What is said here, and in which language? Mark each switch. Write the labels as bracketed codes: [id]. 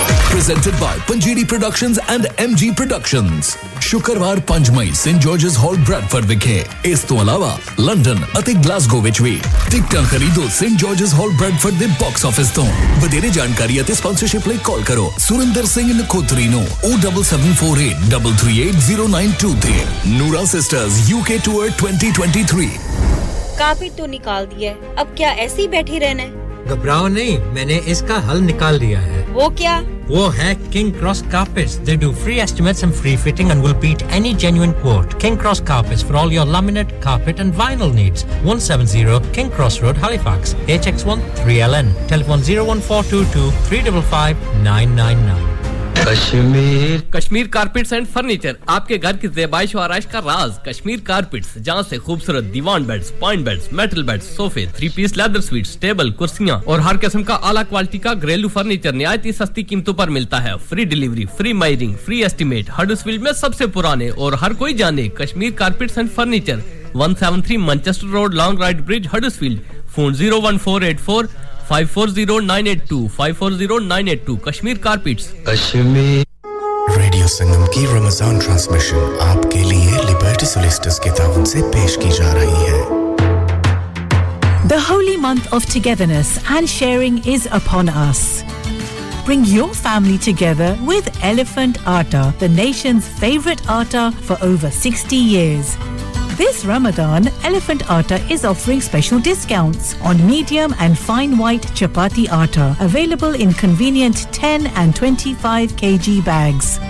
[pa] ਪ੍ਰੈਜੈਂਟਡ by panjiri productions and MG productions ਸ਼ੁੱਕਰਵਾਰ 5 ਮਈ Saint Georges ਹਾਲ Bradford ਵਿਖੇ ਇਸ ਤੋਂ ਇਲਾਵਾ ਲੰਡਨ ਅਤੇ ਗਲਾਸਗੋ ਵਿੱਚ ਵੀ ਟਿਕਟਾਂ ਖਰੀਦੋ ਸੇਂਟ ਜਾਰਜਸ ਹਾਲ ਬ੍ਰੈਡਫੋਰਡ ਦੇ ਬਾਕਸ ਆਫਿਸ ਤੋਂ ਵਧੇਰੇ ਜਾਣਕਾਰੀ ਅਤੇ ਸਪਾਂਸਰਸ਼ਿਪ ਲਈ ਕਾਲ ਕਰੋ ਸੁਰਿੰਦਰ ਸਿੰਘ ਨਖੋਤਰੀ ਨੂੰ 07748338092 ਤੇ ਨੂਰਾ ਸਿਸਟਰਸ ਯੂਕੇ ਟੂਰ 2023 [hi] ਕਾਫੀ ਤੋਂ ਨਿਕਾਲ ਦਿਆ ਅਬ ਕਿਆ ਐਸੇ ਹੀ ਬੈਠੇ ਰਹਿਣਾ घबराओ नहीं मैंने इसका हल निकाल दिया है वो क्या वो है [en] king cross carpets they do free estimates and free fitting and will beat any genuine quote king cross carpets for all your laminate carpet and vinyl needs 170 king cross road Halifax HX1 3LN telephone 01422355999 [hi] Kashmir Kashmir carpets and furniture आपके घर की ज़ेबाइश और आराम का राज Kashmir carpets जहां से खूबसूरत दीवान beds point beds metal beds सोफे three piece leather suits table कुर्सियां और हर किस्म का आला क्वालिटी का घरेलू फर्नीचर नियायती सस्ती कीमतों पर मिलता है free delivery free मायरिंग free estimate Huddersfield में सबसे पुराने और हर कोई जाने Kashmir carpets and furniture 173 Manchester road long right bridge Huddersfield phone 01484 540982 Kashmir carpets Kashmir radio संगम की रमजान ट्रांसमिशन आपके लिए लिबर्टी सोलिस्टस के तावन से पेश की जा रही है [en] The holy month of togetherness and sharing is upon us. Bring your family together with Elephant Atta, the nation's favorite atta for over 60 years. This Ramadan, Elephant Atta is offering special discounts on medium and fine white chapati atta, available in convenient 10 and 25 kg bags.